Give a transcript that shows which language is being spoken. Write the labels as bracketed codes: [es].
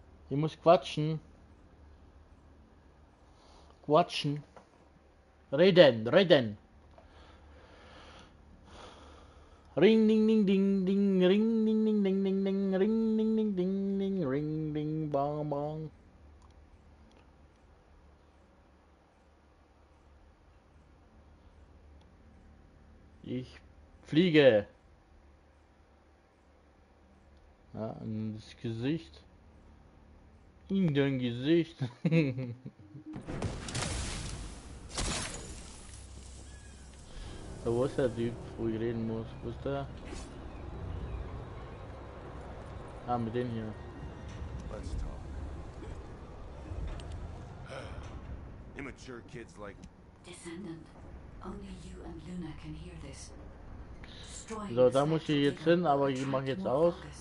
[de] Ich muss quatschen, reden. Ring, ding, ding, ding, ding, ring, ding, ding, ding, ding, ding, ring, ding, ding, ding, ding, ring, ding, bang, bang. Ich fliege. Ja, ins Gesicht. In dein Gesicht. So, wo ist der Typ, wo ich reden muss? Wo ist der? Ah, mit dem hier. [en] Let's talk. Immature kids like... Descendant, Only you and Luna can hear this. [de] So, da muss ich jetzt hin, aber ich mach jetzt aus.